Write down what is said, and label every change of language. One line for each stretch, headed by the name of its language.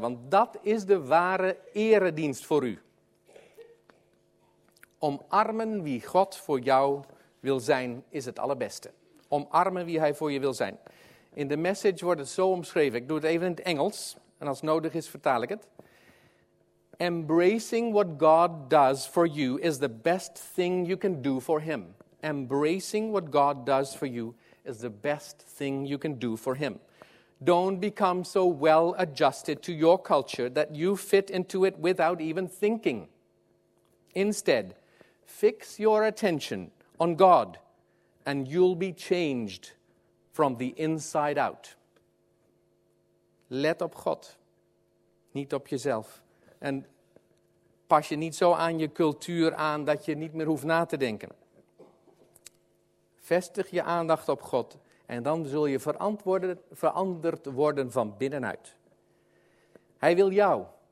Dutch: Want dat is de ware eredienst voor u. Omarmen wie God voor jou wil zijn is het allerbeste. Omarmen wie hij voor je wil zijn. In de message wordt het zo omschreven. Ik doe het even in het Engels. En als nodig is, vertaal ik het.
English: Embracing what God does for you is the best thing you can do for him. Embracing what God does for you is the best thing you can do for him. Don't become so well adjusted to your culture that you fit into it without even thinking. Instead, fix your attention on God and you'll be changed from the inside out.
Dutch: Let op God, niet op jezelf. En pas je niet zo aan je cultuur aan dat je niet meer hoeft na te denken. Vestig je aandacht op God en dan zul je veranderd worden van binnenuit. Hij wil jou.